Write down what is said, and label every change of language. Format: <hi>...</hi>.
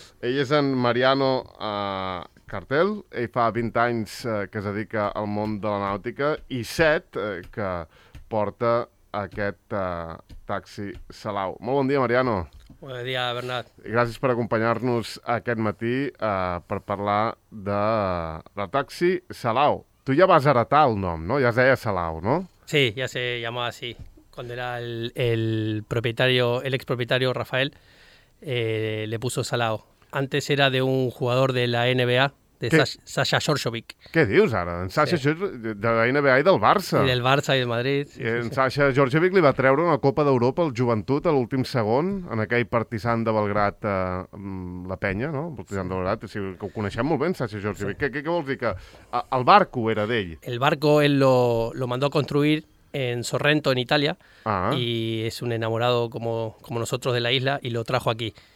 <ca>Ell és en Mariano Cartel, ell fa 20 anys que es dedica al món de la nàutica i 7 que porta aquest taxi Salao. Molt bon dia, Mariano. Bon dia, Bernat. Gràcies per acompanyar-nos aquest matí per parlar de taxi Salao. Tu ja vas heretar el nom, no? Ja es deia Salao, no?</ca> <es>Sí, ja se llamava así. Cuando era el expropietario Rafael, le puso Salao. Antes era de un jugador de la NBA, de Sasha Djordjevic.</es> <ca>Què dius ara? En Sasha, sí. De la NBA i del Barça. I del Barça i del Madrid. Sí, en Sasha Djordjevic li va treure una Copa d'Europa al Joventut a l'últim segon, en aquell Partizan de Belgrat, la penya, no? Partizan de Belgrat, o sigui, que ho coneixem molt bé, en Sasha Djordjevic. Sí. Què vols dir? Que el barco era d'ell?</ca> <es>El barco él lo mandó a construir en Sorrento, en Italia, y es un enamorado como nosotros de la isla, y lo trajo aquí.</es>